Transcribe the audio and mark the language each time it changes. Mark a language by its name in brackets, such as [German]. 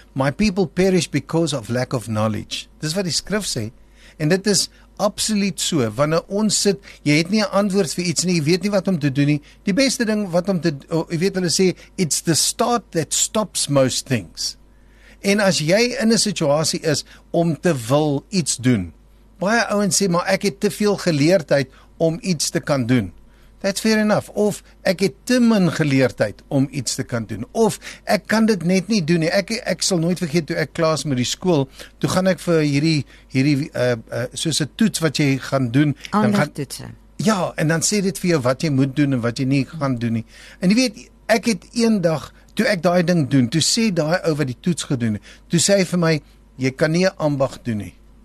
[English] My people perish because of lack of knowledge. [Afrikaans] Dis wat die skrif sê. En dit is absoluut so, wanneer ons sit, jy het nie 'n antwoord vir iets nie, jy weet nie wat om te doen nie. Die beste ding wat om te, jy weet hulle sê, [English] it's the start that stops most things. [Afrikaans] En as jy in 'n situasie is om te wil iets doen, baie ouens sê, maar ek het te veel geleerdheid om iets te kan doen. [English] That's fair enough. [Afrikaans] Of ek het te min geleerdheid om iets te kan doen. Of ek kan dit net nie doen nie. Ek sal nooit vergeet toe ek klaar is met die skool, toe gaan ek vir hierdie soos 'n toets wat jy gaan doen. Aandagtoetse. Ja, en dan sê dit vir jou wat jy moet doen en wat jy nie gaan doen nie. En jy weet, ek het eendag, toe ek daai ding doen, toe sê daai ou wat die toets gedoen het, toe sê hy vir my, jy kan nie 'n ambag doen nie.